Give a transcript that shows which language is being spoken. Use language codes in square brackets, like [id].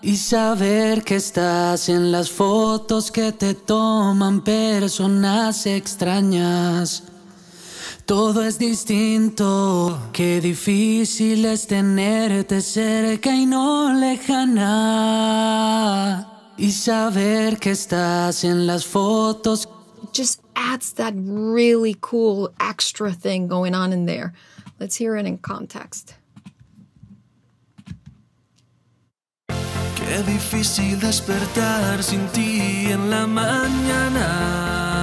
[es] Y saber que estás en las fotos que te toman personas extrañas. Todo es distinto. Qué difícil es tenerte cerca y no lejana. Y saber que estás en las fotos. [en] Just adds that really cool extra thing going on in there. Let's hear it in context. [es] Qué difícil despertar sin ti en la mañana.